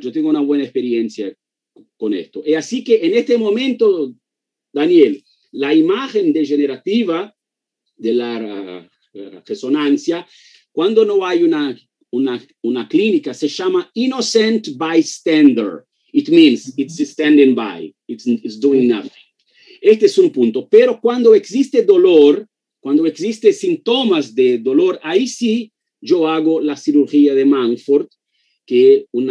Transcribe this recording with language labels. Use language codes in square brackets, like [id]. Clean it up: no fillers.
[es] Yo tengo una buena experiencia con esto. Y así que en este momento, Daniel, la imagen degenerativa de la resonancia, cuando no hay una clínica, se llama innocent bystander. [en] It means it's standing by, it's doing nothing. [es] Este es un punto. Pero cuando existe dolor, cuando existe síntomas de dolor, ahí sí yo hago la cirugía de Manford, que